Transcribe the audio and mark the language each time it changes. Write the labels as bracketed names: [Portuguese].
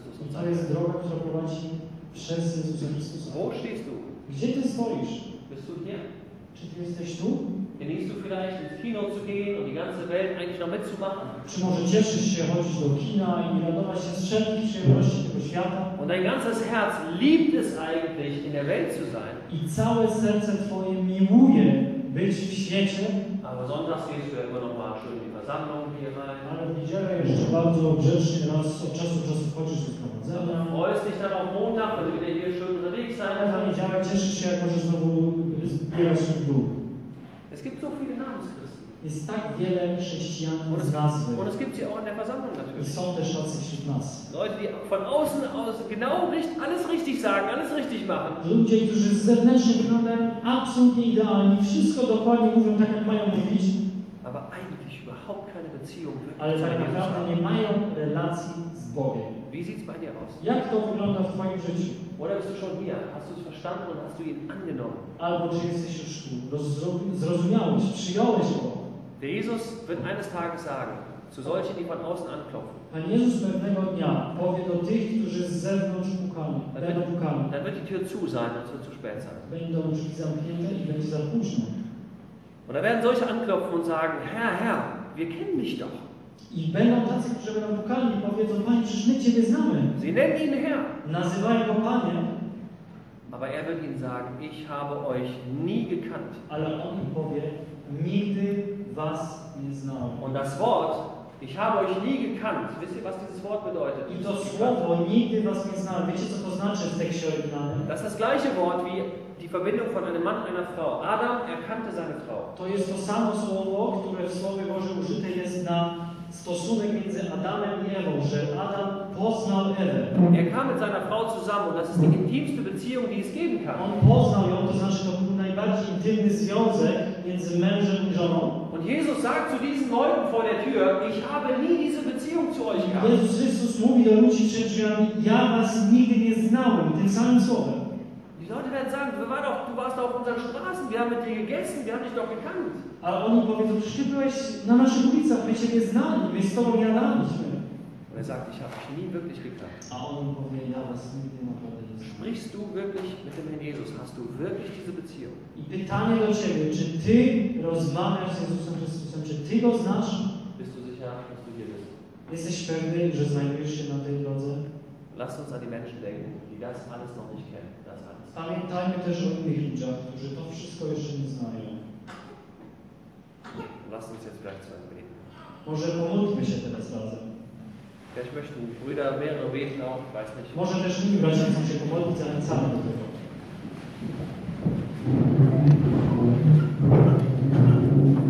[Polish] I to jest droga, która prowadzi przez Jezusa Chrystusa. Gdzie ty stoisz? Czy ty jesteś tu? [German] Genießt du vielleicht ins Kino zu gehen und die ganze Welt eigentlich noch mitzumachen? [Polish] Czy może cieszysz się chodzić do kina i radować się z wszelkich przyjemności tego świata? [German] Und dein ganzes Herz liebt es eigentlich, in der Welt zu sein. [Polish] I całe serce twoje miłuje być w świecie. [German] Aber sonntags gehst du ja immer noch mal schön in die Versammlung hier rein. [Polish] Ale w niedzielę jeszcze bardzo grzecznie raz od czasu do czasu chodzisz do zgromadzenia. [German] Freust dich dann auf Montag, wenn du wieder hier schön unterwegs sein kannst. [Polish] A w niedzielę cieszysz się, jak możesz znowu zbierać się w dół. [German] Es gibt so viele Namen. [Polish] Jest tak wiele chrześcijan z nazwy. [German] Und es gibt sie auch in der Versammlung natürlich. [Polish] Są też tacy wśród nas. [German] Leute, die von außen aus genau richtig, alles richtig sagen, alles richtig machen. [Polish] Ludzie, którzy z zewnętrznym wyglądem absolutnie idealni, wszystko dokładnie mówią tak, jak mają mówić. [German] Aber eigentlich überhaupt keine Beziehung. [Polish] Ale tak naprawdę nie mają relacji z Bogiem. [German] Wie sieht's bei dir aus? [Polish] Jak to wygląda w twoim życiu? [German] Oder bist du schon hier? Hast du es verstanden und hast du ihn angenommen? [Polish] Albo czy jesteś już tu? Zrozumiałeś, przyjąłeś go? [German] Der Jesus wird eines Tages sagen, zu solchen, die von außen anklopfen. [Polish] Pan Jezus pewnego dnia powie do tych, którzy z zewnątrz pukali, będą pukali. [German] Dann wird die Tür zu sein, dann wird zu spät sein. [Polish] Będą drzwi zamknięte i będzie za późno. [German] Und da werden solche anklopfen und sagen, Herr, Herr, wir kennen dich doch. [Polish] I będą tacy, którzy będą pukali i powiedzą, Panie, przecież my Ciebie znamy. [German] Sie nennen ihn Herr. [Polish] Nazywają go Panie. [German] Aber er wird ihnen sagen, ich habe euch nie gekannt. [Polish] Ale on im powie, nigdy was nie znałem. [German] Und das Wort, ich habe euch nie gekannt. Wisst ihr, was dieses Wort bedeutet? [Polish] I to słowo, nigdy was nie znałem. Wiecie, co to znaczy w tekście oryginalnym? [German] Das ist das gleiche Wort wie die Verbindung von einem Mann und einer Frau. Adam erkannte seine Frau. [Polish] To jest to samo słowo, które w Słowie Bożym użyte jest na stosunek między Adamem i Ewą, że Adam poznał Ewę. [German] Er kam mit seiner Frau zusammen und das ist die intimste Beziehung, die es geben kann. [Polish] On poznał ją, to znaczy, to był najbardziej intymny związek między mężem i żoną. [German] Und Jesus sagt zu diesen Leuten vor der Tür, ich habe nie diese Beziehung zu euch gehabt. [Polish] Jezus Chrystus mówi do ludzi przed drzwiami, ja was nigdy nie znałem, tym samym słowem. [German] Die Leute werden sagen, wir waren doch, du warst auf unseren Straßen, wir haben mit dir gegessen, wir haben dich doch gekannt. [Polish] A oni powiedzą, przecież ty byłeś na naszych ulicach, my Ciebie znali, my z Tobą jadaliśmy. [German] Und er sagt, ich habe dich nie wirklich gekannt. [Polish] A on powie, ja was nigdy naprawdę nie znam. [German] Sprichst du wirklich mit dem Herrn Jesus? Hast du wirklich diese Beziehung? [Polish] I pytanie do Ciebie, czy Ty rozmawiasz z Jezusem Chrystusem, czy Ty Go znasz? [German] Bist du sicher, dass du hier bist? [Polish] Jesteś pewny, że znajdujesz się na tej drodze? [German] Lass uns an die Menschen denken, die das alles noch nicht kennen. Das alles. [Polish] Pamiętajmy też o innych ludziach, którzy to wszystko jeszcze nie znają. [German] Lass uns jetzt vielleicht zusammen beten. [Polish] Może pomódlmy się teraz razem. [German] Vielleicht möchten Brüder mehr oder weniger auch, ich weiß nicht. [Polish] Może też inni bracia chcą się pomodlić, ale sami do tego.